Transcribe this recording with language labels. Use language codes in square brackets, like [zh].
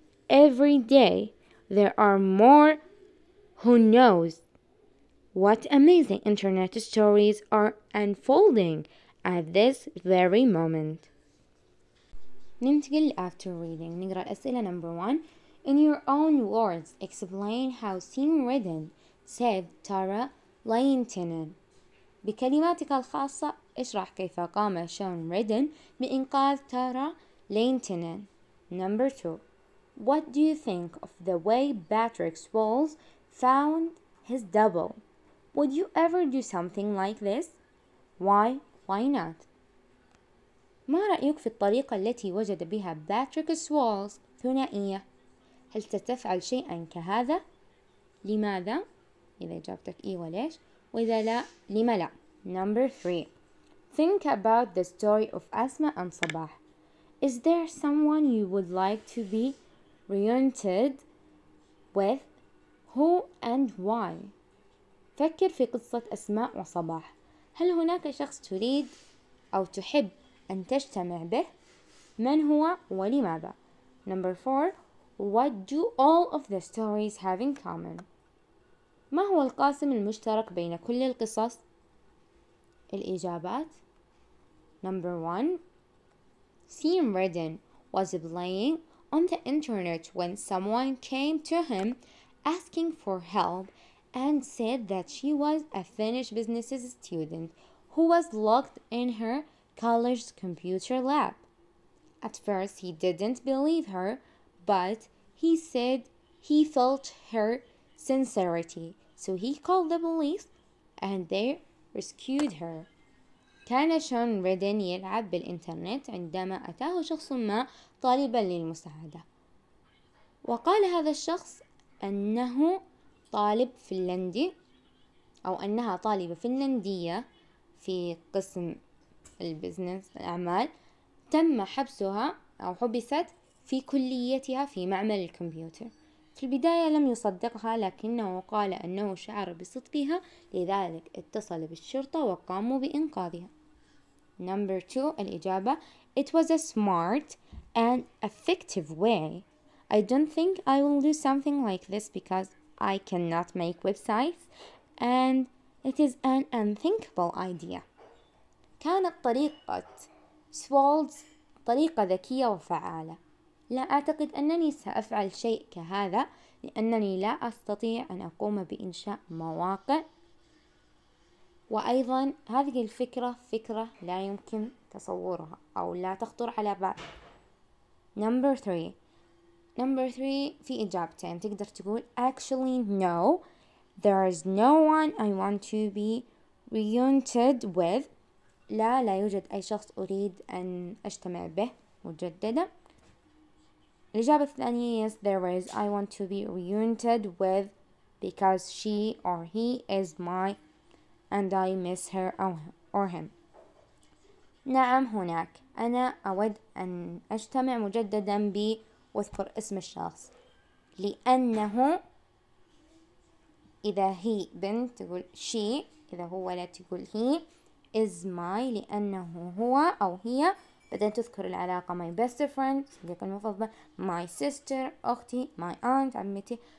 [en] Every day, there are more who knows what amazing internet stories are unfolding at this very moment. [ar] ننتقل [en] after reading. [ar] نقرأ الأسئلة [en] number one. In your own words, explain how scene written saved Tara Lintinen. [ar] بكلماتك الخاصة اشرح كيف قام شون ريدن بإنقاذ تارا لينتينن. [en] Number 2. What do you think of the way Patrick Swalls found his double? Would you ever do something like this? Why? Why not? [ar] ما رأيك في الطريقة التي وجد بها باتريك سوالز ثنائية؟ هل ستفعل شيئا كهذا؟ لماذا؟ إذا جابتك إيه وليش؟ وإذا لا، لما لا؟ [en] Number 3. Think about the story of Asma and Sabah. Is there someone you would like to be reunited with? Who and why? [ar] فكر في قصة أسماء وصباح. هل هناك شخص تريد أو تحب أن تجتمع به؟ من هو ولماذا؟ [en] Number 4. What do all of the stories have in common? [ar] ما هو القاسم المشترك بين كل القصص؟ الإجابات. [en] Number 1. Sim Redden was playing on the internet when someone came to him asking for help and said that she was a Finnish business student who was locked in her college computer lab. At first he didn't believe her, but he said he felt her sincerity, so he called the police and they rescued her. [ar] كان شون ريدن يلعب بالإنترنت عندما أتاه شخص ما طالبا للمساعدة، وقال هذا الشخص أنه طالب فنلندي أو أنها طالبة فنلندية في قسم البزنس الأعمال، تم حبسها أو حبست في كليتها في معمل الكمبيوتر. في البداية لم يصدقها، لكنه قال أنه شعر بصدقها، لذلك اتصل بالشرطة وقاموا بإنقاذها. [en] Number 2, [ar] الإجابة. [en] It was a smart and effective way. I don't think I will do something like this because I cannot make websites and it is an unthinkable idea. [ar] كانت طريقة سوالدز طريقة ذكية وفعالة. لا أعتقد أنني سأفعل شيء كهذا لأنني لا أستطيع أن أقوم بإنشاء مواقع. وأيضا هذه الفكرة فكرة لا يمكن تصورها أو لا تخطر على بال. [en] Number three [ar] في إجابتين تقدر تقول [en] actually no, there is no one I want to be reunited with. [ar] لا, لا يوجد أي شخص أريد أن أجتمع به مجددا. الإجابة الثانية [en] yes, there is, I want to be reunited with because she or he is my and I miss her or him. [ar] نعم هناك, أنا أود أن أجتمع مجددا ب, واذكر اسم الشخص, لأنه إذا هي بنت تقول she, إذا هو ولد تقول he, [en] is my, [ar] لأنه هو أو هي, بعدين تذكر العلاقة [en] my best friend, [ar] صديق المفضل, [en] my sister, [ar] أختي, [en] my aunt, [ar] عمتي,